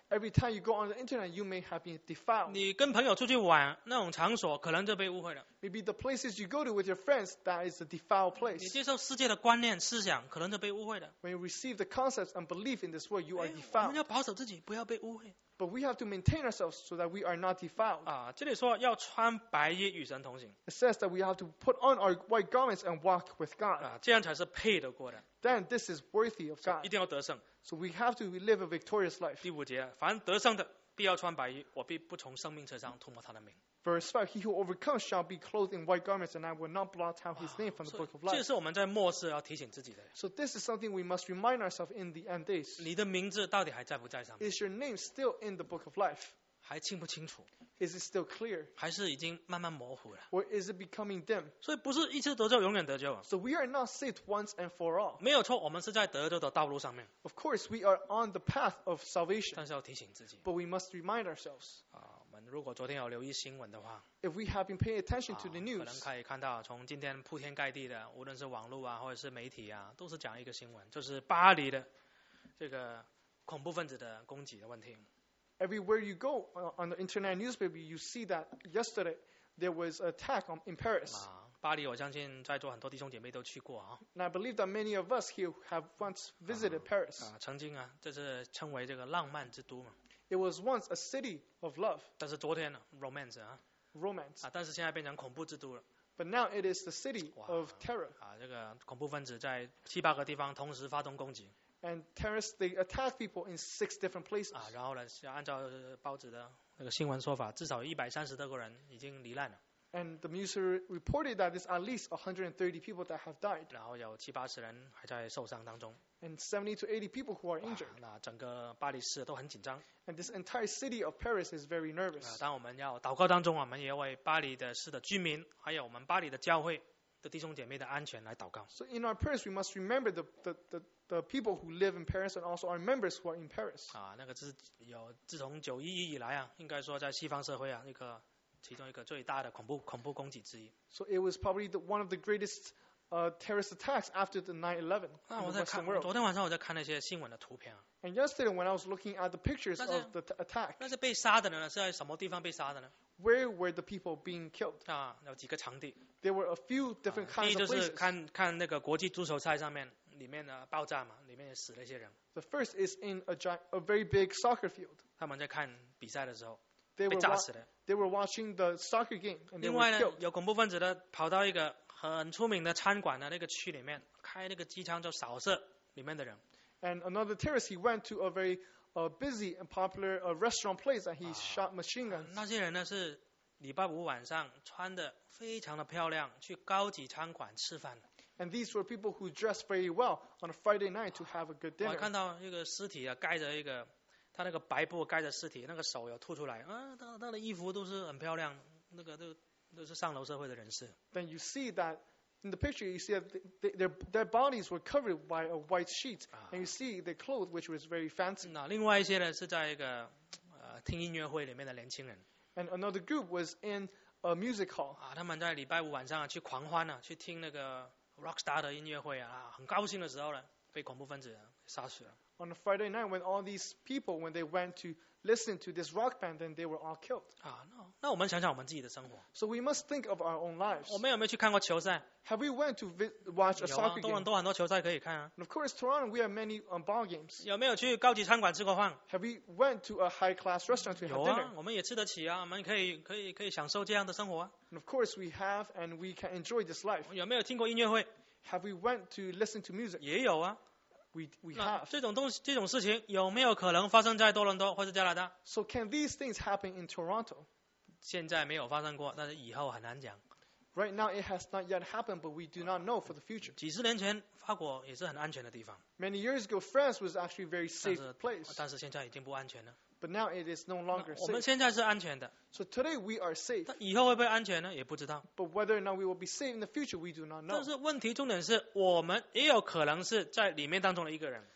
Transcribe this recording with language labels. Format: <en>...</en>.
<en>Every time you go on the internet, you may have been defiled.</en> <zh>你跟朋友出去玩那种场所可能就被污秽了。</zh> <en>Maybe the places you go to with your friends that is a defiled place.</en> <zh>你接受世界的观念思想可能就被污秽了。</zh> <en>When you receive the concepts and belief in this world, you are defiled.</en> <zh>我们要保守自己，不要被污秽。</zh> <en>But we have to maintain ourselves so that we are not defiled.</en> <zh>啊，这里说要穿白衣与神同行。</zh> <en>It says that we have to put on our white garments and walk with God.</en> <zh>啊，这样才是配得过的。</zh> <en>Then this is worthy of God.</en> <zh>一定要得胜。</zh> <en>So we have to live a victorious life.</en> <zh>第五节，凡得胜的必要穿白衣，我必不从生命册上涂抹他的名。</zh> <en>Verse 5, he who overcomes shall be clothed in white garments, and I will not blot out his name from the book of life.</en> <zh>这是我们在末世要提醒自己的。</zh> <en>So this is something we must remind ourselves in the end days.</en> <zh>你的名字到底还在不在上面？</zh> <en>Is your name still in the book of life?</en> <zh>还清不清楚？</zh> <en>Is it still clear?</en> <zh>还是已经慢慢模糊了？</zh> <en>Or is it becoming dim?</en> <zh>所以不是一次得救永远得救。</zh> <en>So we are not saved once and for all.</en> <zh>没有错，我们是在得救的道路上面。</zh> <en>Of course, we are on the path of salvation.</en> <zh>但是要提醒自己。</zh> <en>But we must remind ourselves.</en> <zh>如果昨天有留意新闻的话，</zh> <en>If we have been paying attention to the news,</en> <zh>可能可以看到从今天铺天盖地的，无论是网络啊，或者是媒体啊，都是讲一个新闻，就是巴黎的这个恐怖分子的攻击的问题。</zh> <en>Everywhere you go on the internet newspaper, you see that yesterday there was an attack in Paris.</en> <zh>巴黎，我相信在座很多弟兄姐妹都去过啊。</zh> <en>And I believe that many of us here have once visited Paris.</en> <zh>曾经啊，这是称为这个浪漫之都嘛。</zh> <en>It was once a city of love.</en> <zh>但是昨天 romance 啊</zh> <en>romance</en> <zh>啊，但是现在变成恐怖之都了。</zh> <en>But now it is the city of terror.</en> <zh>这个恐怖分子在七八个地方同时发动攻击。</zh> <en>And terrorists they attack people in six different places.</en> <zh>然后呢，是按照报纸的那个新闻说法，至少130多个人已经罹难了。</zh> <en>And the news reported that there's at least 130 people that have died.</en> <zh>然后有七八十人还在受伤当中。</zh> <en>And 70 to 80 people who are injured.</en> <zh>那整个巴黎市都很紧张。</zh> <en>And this entire city of Paris is very nervous.</en> <zh>当我们要祷告当中，我们也为巴黎的市的居民，还有我们巴黎的教会的弟兄姐妹的安全来祷告。</zh> <en>So in our prayers, we must remember the people who live in Paris and also our members who are in Paris.</en> <zh>那个自从911以来啊，应该说在西方社会啊，那个。其中一个最大的恐怖攻击之一。</zh> <en>So it was probably the, one of the greatest terrorist attacks after the 9/11.</en> <zh>昨天晚上我在看那些新闻的图片。</zh> <en>And yesterday when I was looking at the pictures of the attack.</en> <zh>那是被杀的人呢？是在什么地方被杀的呢</zh> <en>？Where were the people being killed?</en> <zh>有几个场地。</zh> <en>There were a few different kinds of places.</en> <zh>第一就是看那个国际足球赛上面。里面的爆炸嘛，里面也死了一些人。</zh> <en>The first is in a very big soccer field.</en> <zh>他们在看比赛的时候。</zh> <en>They were watching the soccer game. And they</en> <zh>另外呢，有恐怖分子的跑到一个很出名的餐馆的那个区里面，开那个机枪就扫射里面的人。</zh> <en>And another terrorist, he went to a very busy and popular restaurant place and he shot machine guns.</en> <zh>那些人呢是礼拜五晚上穿的非常的漂亮，去高级餐馆吃饭的。</zh> <en>And these were people who dressed very well on a Friday night to have a good dinner.</en> <zh>我看到一个尸体啊，盖着一个。他那个白布盖着尸体，那个手有吐出来，他的衣服都是很漂亮，那个都是上流社会的人士。</zh> <en>Then you see that in the picture, you see that their bodies were covered by a white sheet, and you see the clothes which was very fancy.</en> <zh>那另外一些呢是在一个听音乐会里面的年轻人。</zh> <en>And another group was in a music hall.</en> <zh>他们在礼拜五晚上去狂欢呢，去听那个 rockstar 的音乐会很高兴的时候呢，被恐怖分子杀死了。</zh> <en>On a Friday night, when all these people, when they went to listen to this rock band, then they were all killed.</en> <zh>那我们想想我们自己的生活。</zh> <en>So we must think of our own lives.</en> <zh>我们有没有去看过球赛？</zh> <en>Have we went to watch a soccer game?</en> <zh>有啊，多伦多很多球赛可以看啊。</zh> <en>And of course, Toronto, we have many ball games.</en> <zh>有没有去高级餐馆吃过饭？</zh> <en>Have we went to a high-class restaurant to have dinner?</en> <zh>有啊，我们也吃得起啊，我们可以享受这样的生活啊。</zh> <en>And of course, we have, and we can enjoy this life.</en> <zh>有没有听过音乐会？</zh> <en>Have we went to listen to music?</en> <zh>也有啊。</zh> <en>We have</en> <zh>这种事情有没有可能发生在多伦多或者加拿大</zh> <en>？So can these things happen in Toronto？</en> <zh>现在没有发生过，但是以后很难讲。</zh> <en>Right now it has not yet happened, but we do not know for the future。</en> <zh>几十年前，法国也是很安全的地方。</zh> <en>Many years ago, France was actually a very safe place。</en> <zh>但是现在已经不安全了。</zh> <en>But now it is no longer safe。</en> <zh>我们现在是安全的。</zh> <en>So today we are safe。</en> <zh>但以后会不会安全呢？也不知道。</zh> <en>But whether or not we will be safe in the future, we do not know。</en> <zh>但是问题重点是我们也有可能是在里面当中的一个人。</zh>